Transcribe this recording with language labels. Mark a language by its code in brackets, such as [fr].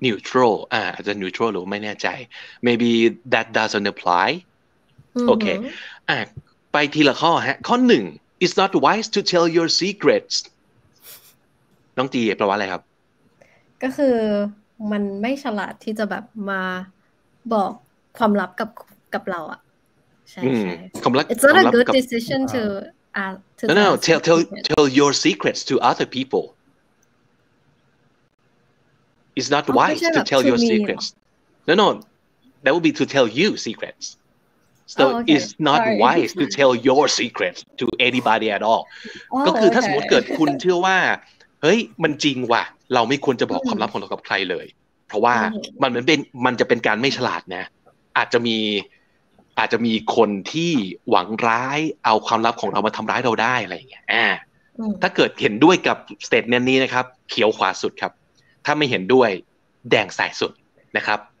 [th] neutral อาจจะ neutral หรือไม่แน่ใจ [en] maybe that doesn't apply [th] โอเคไปทีละข้อฮะข้อหนึ่ง [en] it's not wise to tell your secrets [th] น้องจีแปลว่าอะไรครับ ก็คือมันไม่ฉลาดที่จะแบบมาบอกความลับกับเราอ่ะใช่ [en] it's not a good decision to No, no, tell your secrets to other people. It's not wise to tell your secrets. No, no, that would be to tell you secrets. So it's not wise to tell your secrets to anybody at all. [th] ก็คือถ้าสมมติเกิดคุณเชื่อว่าเฮ้ยมันจริงว่ะเราไม่ควรจะบอกความลับของเรากับใครเลยเพราะว่ามันจะเป็นการไม่ฉลาดนะอาจจะมีคนที่หวังร้ายเอาความลับของเรามาทำร้ายเราได้อะไรอย่างเงี้ยถ้าเกิดเห็นด้วยกับสเตทเมนต์นี้นะครับเขียวขวาสุดครับถ้าไม่เห็นด้วยแดงซ้ายสุดนะครับ